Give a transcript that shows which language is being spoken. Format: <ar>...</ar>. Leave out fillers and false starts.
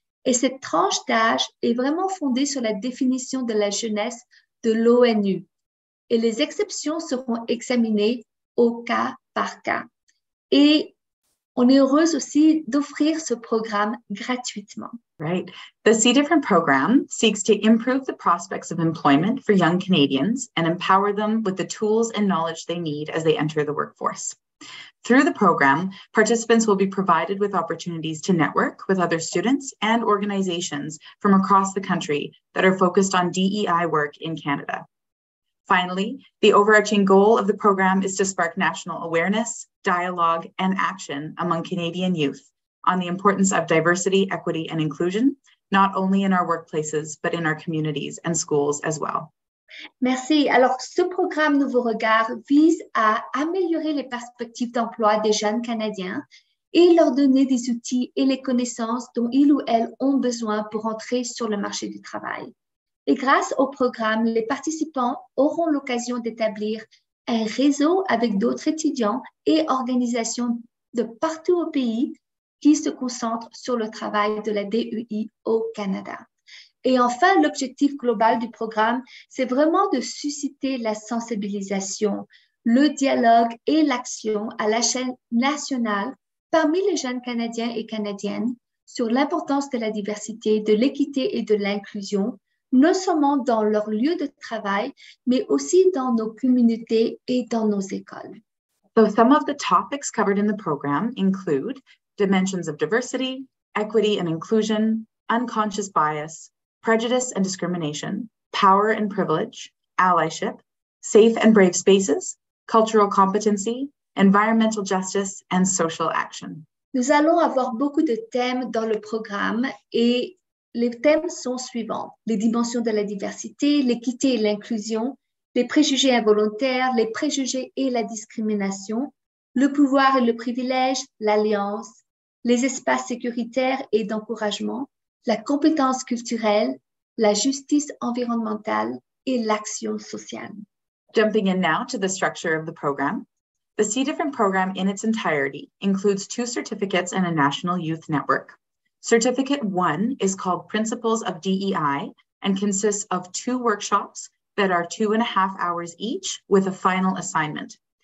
<fr>Et cette tranche d'âge est vraiment fondée sur la définition de la jeunesse de l'ONU. Et les exceptions seront examinées au cas par cas. Et on est heureuse aussi d'offrir ce programme gratuitement.</fr> <en>Right. The C Different program seeks to improve the prospects of employment for young Canadians and empower them with the tools and knowledge they need as they enter the workforce. Through the program, participants will be provided with opportunities to network with other students and organizations from across the country that are focused on DEI work in Canada. Finally, the overarching goal of the program is to spark national awareness, dialogue, and action among Canadian youth on the importance of diversity, equity, and inclusion, not only in our workplaces, but in our communities and schools as well.</en> <fr>Merci. Alors, ce programme Nouveau Regard vise à améliorer les perspectives d'emploi des jeunes Canadiens et leur donner des outils et les connaissances dont ils ou elles ont besoin pour entrer sur le marché du travail. Et grâce au programme, les participants auront l'occasion d'établir un réseau avec d'autres étudiants et organisations de partout au pays qui se concentrent sur le travail de la DEI au Canada. Et enfin, l'objectif global du programme, c'est vraiment de susciter la sensibilisation, le dialogue et l'action à la chaîne nationale parmi les jeunes Canadiens et Canadiennes sur l'importance de la diversité, de l'équité et de l'inclusion, non seulement dans leur lieu de travail, mais aussi dans nos communautés et dans nos écoles.</fr> <en>So some of the topics covered in the program include dimensions of diversity, equity and inclusion, unconscious bias, prejudice and discrimination, power and privilege, allyship, safe and brave spaces, cultural competency, environmental justice, and social action.</en> <fr>Nous allons avoir beaucoup de thèmes dans le programme et les thèmes sont suivants. Les dimensions de la diversité, l'équité et l'inclusion, les préjugés involontaires, les préjugés et la discrimination, le pouvoir et le privilège, l'alliance, les espaces sécuritaires et d'encouragement, la compétence culturelle, la justice environnementale et l'action sociale.</fr> <en>Jumping in now to the structure of the program, the C Different program in its entirety includes two certificates and a national youth network. Certificate one is called Principles of DEI and consists of two workshops that are 2.5 hours each with a final assignment.</en>